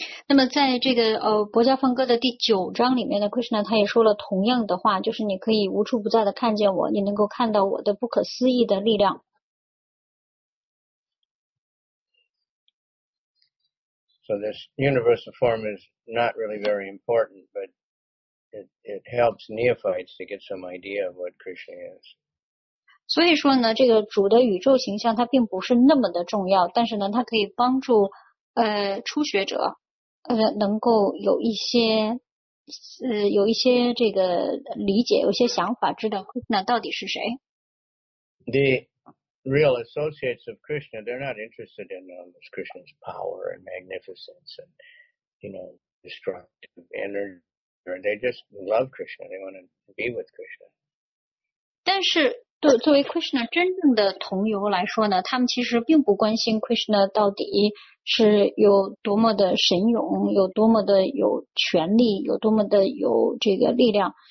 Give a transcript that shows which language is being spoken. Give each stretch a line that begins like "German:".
Chinese: 那么在这个《薄伽梵歌》的第九章里面呢，Krishna 他也说了同样的话，就是你可以无处不在的看见我，你能够看到我的不可思议的力量。
English: So this universal form is not really very important, but it helps neophytes to get some idea of what Krishna is.
Chinese: 所以说呢，这个主的宇宙形象它并不是那么的重要，但是呢，它可以帮助初学者能够有一些这个理解，有些想法，知道 Krishna 到底是谁。
English: Real associates of Krishna, they're not interested in Krishna's power and magnificence and, you know, destructive energy. They just love Krishna. They want to be with Krishna.
Chinese: 但是对作为 Krishna 真正的同游来说呢，他们其实并不关心 Krishna 到底是有多么的神勇，有多么的有权力，有多么的有这个力量。